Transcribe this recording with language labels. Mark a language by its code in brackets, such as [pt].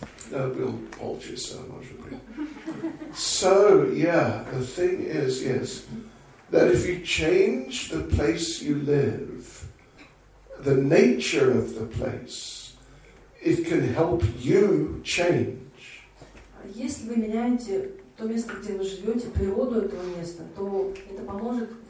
[ru] Да, был полчаса, может быть. [en] The thing is, yes, that if you change the place you live, the nature of the place, it can help you change. [ru] Если вы меняете то место, где вы живете, природу этого места, то это поможет